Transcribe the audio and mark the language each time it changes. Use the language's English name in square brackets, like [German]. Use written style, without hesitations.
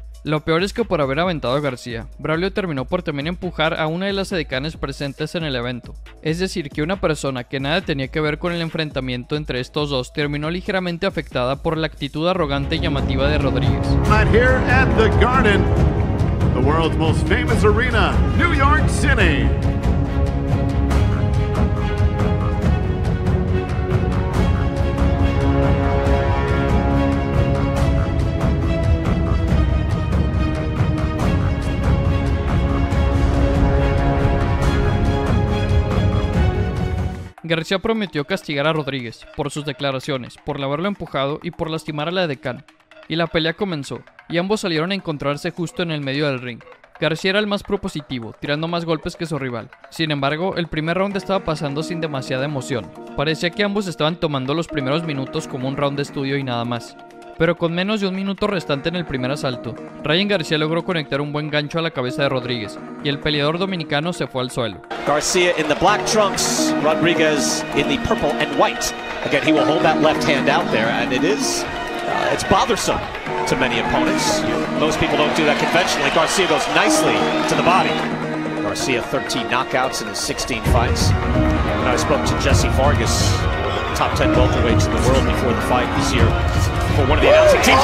[Spanish] Lo peor es que por haber aventado a García, Braulio terminó por también empujar a una de las edecanes presentes en el evento. Es decir, que una persona que nada tenía que ver con el enfrentamiento entre estos dos terminó ligeramente afectada por la actitud arrogante y llamativa de Rodríguez. [English] Not here at the Garden. the world's most famous arena, New York City. [Spanish] García prometió castigar a Rodríguez por sus declaraciones, por haberlo empujado y por lastimar a la decán. Y la pelea comenzó, y ambos salieron a encontrarse justo en el medio del ring. García era el más propositivo, tirando más golpes que su rival. Sin embargo, el primer round estaba pasando sin demasiada emoción. Parecía que ambos estaban tomando los primeros minutos como un round de estudio y nada más. Pero con menos de un minuto restante en el primer asalto, Ryan García logró conectar un buen gancho a la cabeza de Rodríguez, y el peleador dominicano se fue al suelo. [English] García in the black trunks, Rodríguez in the purple and white. Again, he will hold that left hand out there, and it is... it's bothersome to many opponents. Most people don't do that conventionally. García goes nicely to the body. García, 13 knockouts in his 16 fights. When I spoke to Jesse Vargas, top 10 welterweights in the world before the fight this year, for one of the announcing teams.